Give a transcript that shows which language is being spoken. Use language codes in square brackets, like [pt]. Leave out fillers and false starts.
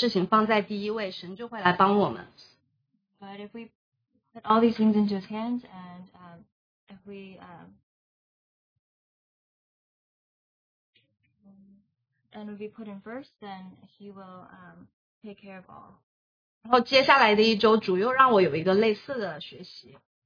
[zh] 如果我们愿意把所有的事情交给神，把他的事情放在第一位，神就会来帮我们。 [en] But if we put all these things into his hands, and if we... and if we put him first, then he will take care of all. [zh] 然后接下来的一周，主又让我有一个类似的学习。